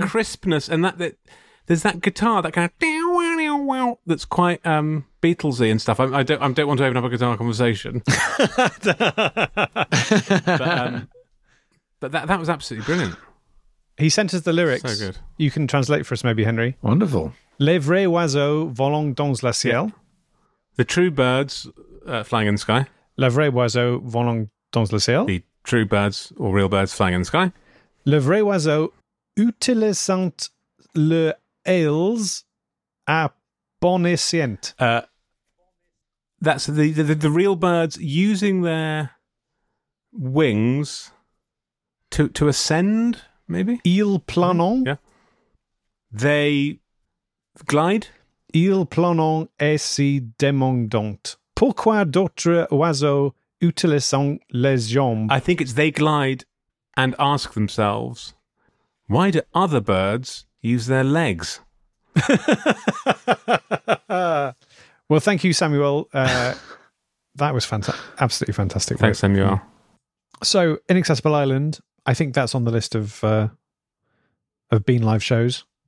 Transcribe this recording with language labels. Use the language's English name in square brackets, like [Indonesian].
[English] The crispness and that there's that guitar, that kind of that's quite Beatlesy and stuff. I don't want to open up a guitar conversation. but that was absolutely brilliant. He sent us the lyrics. So good. You can translate for us, maybe, Henry. Wonderful. [French] Les vrais oiseaux volant dans le ciel. [English] The true birds flying in the sky. [French] Les vrais oiseaux volant dans le ciel. [English] The true birds or real birds flying in the sky. [French] Les vrais oiseaux utilisant le ailes à bon escient. [English] That's the real birds using their wings to ascend, maybe? [French] Ils planant. [English] Yeah. They glide. [French] Ils planant et si demandant. Pourquoi d'autres oiseaux utilisant les jambes? [English] I think it's they glide and ask themselves, why do other birds use their legs? Well, thank you, Samuel. That was absolutely fantastic. Thanks, Samuel. So, Inaccessible Island, I think that's on the list of Bean Live shows.